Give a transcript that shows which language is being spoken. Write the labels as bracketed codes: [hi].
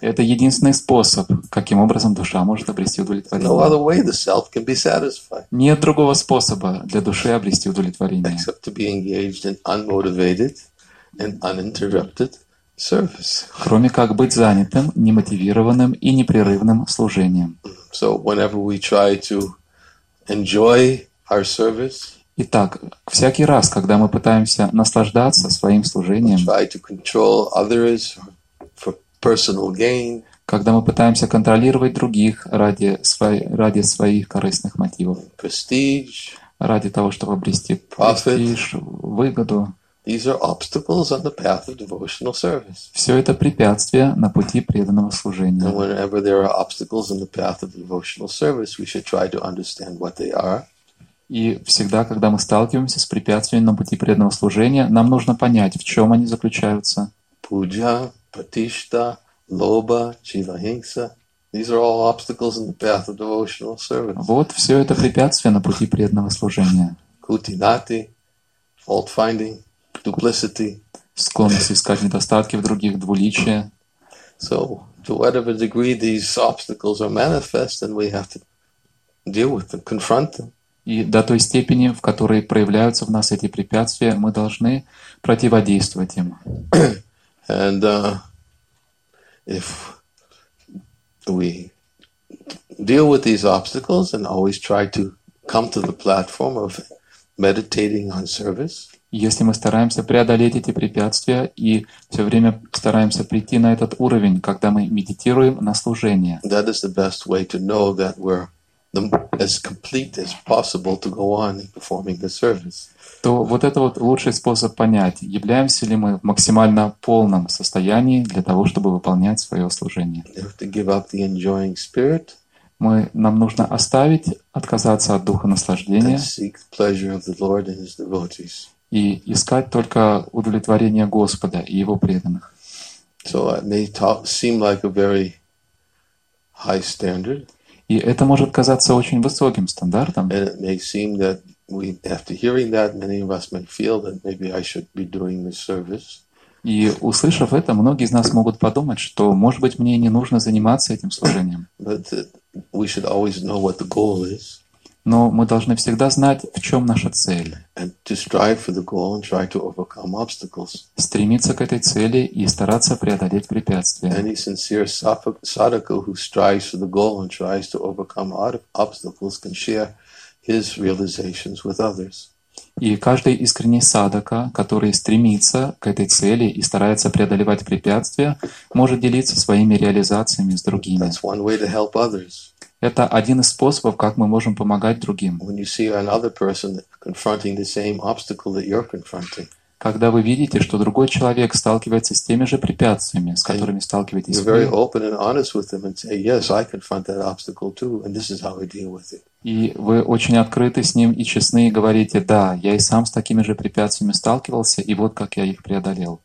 [ru] Это единственный способ, каким образом душа может обрести удовлетворение. [en] No other way the self can be satisfied. [ru] Нет другого способа для души обрести удовлетворение. [en] Except to be engaged in unmotivated and uninterrupted service. [ru] Кроме как быть занятым, немотивированным и непрерывным служением. [en] So whenever we try to enjoy our service, [ru] итак, всякий раз, когда мы пытаемся наслаждаться своим служением, [en] we try to control others for personal gain, [ru] когда мы пытаемся контролировать других ради своих корыстных мотивов, [en] prestige, [ru] ради того, чтобы обрести [en] profit, [ru] престиж, выгоду, [en] these are obstacles on the path of devotional service. [ru] Все это препятствия на пути преданного служения. [en] And whenever there are obstacles on the path of devotional service, we should try to understand what they are. [ru] И всегда, когда мы сталкиваемся с препятствиями на пути преданного служения, нам нужно понять, в чем они заключаются. [sa] Пуджа, патишта, лоба, чивахинса. [en] These are all obstacles on the path of devotional service. [ru] Вот все это препятствия на пути преданного служения. [en] Кутинати, fault finding. Duplicity. [ru] Склонность искать недостатки в других, двуличие. [en] So, to whatever degree these obstacles are manifest, then we have to deal with them, confront them. [ru] И до той степени, в которой проявляются в нас эти препятствия, мы должны противодействовать им. [en] And if we deal with these obstacles and always try to come to the platform of meditating on service, [ru] если мы стараемся преодолеть эти препятствия и все время стараемся прийти на этот уровень, когда мы медитируем на служение, [en] that is the best way to know that we're as complete as possible to go on performing the service. [ru] То вот это вот лучший способ понять, являемся ли мы в максимально полном состоянии для того, чтобы выполнять свое служение. [en] You have to give up the enjoying spirit. [ru] Мы, нам нужно оставить, отказаться от духа наслаждения [en] and seek pleasure of the Lord and his devotees. [ru] И искать только удовлетворение Господа и Его преданных. [en] So it may talk, seem like a very high standard. [ru] И это может казаться очень высоким стандартом. [en] And it may seem that we, after hearing that, many of us may feel that maybe I should be doing this service. [ru] И услышав это, многие из нас могут подумать, что, может быть, мне не нужно заниматься этим служением. [en] But we should always know what the goal is. [ru] Но мы должны всегда знать, в чем наша цель. [en] And to strive for the goal and try to overcome obstacles. [ru] Стремиться к этой цели и стараться преодолеть препятствия. [en] Any sincere sadhaka who strives for the goal and tries to overcome obstacles can share his realizations with others. [ru] И каждый искренний садака, который стремится к этой цели и старается преодолевать препятствия, может делиться своими реализациями с другими. [en] That's one way to help others. [ru] Это один из способов, как мы можем помогать другим. [en] When you see another person confronting the same obstacle that you're confronting. [ru] Когда вы видите, что другой человек сталкивается с теми же препятствиями, с которыми сталкиваетесь вы. [en] You're very open and honest with them and say, yes, I confront that obstacle too, and this is how I deal with it. [ru] И вы очень открыты с ним и честны, и говорите, да, я и сам с такими же препятствиями сталкивался, и вот как я их преодолел.